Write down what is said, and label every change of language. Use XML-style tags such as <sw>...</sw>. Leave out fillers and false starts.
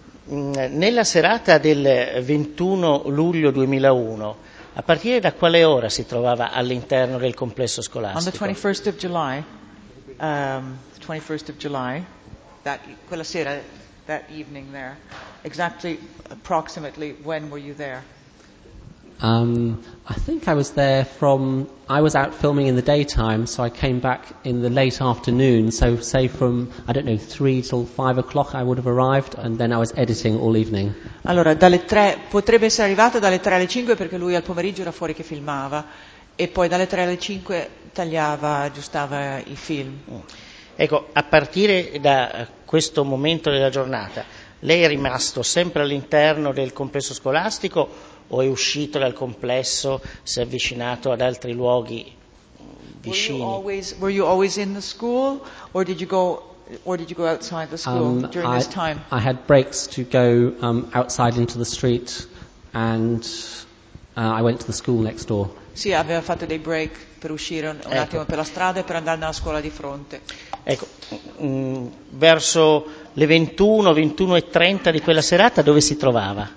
<it>Nella serata del 21 luglio 2001, a partire da quale ora si trovava all'interno del complesso scolastico?</it> <en>On the 21st of July, the 21st of July,</en> <it>quella sera,</it> <en>that evening there, exactly, approximately, when were you there? I think I was there from. I was out filming in the daytime, so I came back in the late afternoon. So, say from I don't know 3 till 5 o'clock, I would have arrived, and then I was editing all evening.</en> <it>Allora, dalle tre potrebbe essere arrivato dalle 3 alle 5 perché lui al pomeriggio era fuori che filmava, e poi dalle 3 alle 5 tagliava, aggiustava i film. Ecco, a partire da questo momento della giornata, lei è rimasto sempre all'interno del complesso scolastico? O è uscito dal complesso, si è avvicinato ad altri luoghi vicini?</it> <en>Were you always in the school, or did you go outside the school during this time? I had breaks to go outside into the street, and I went to the school next door.</en> <it>Sì, aveva fatto dei break per uscire un attimo per la strada e per andare nella scuola di fronte. Ecco, verso le 21, 21 e 30 di quella serata, dove si trovava?</it>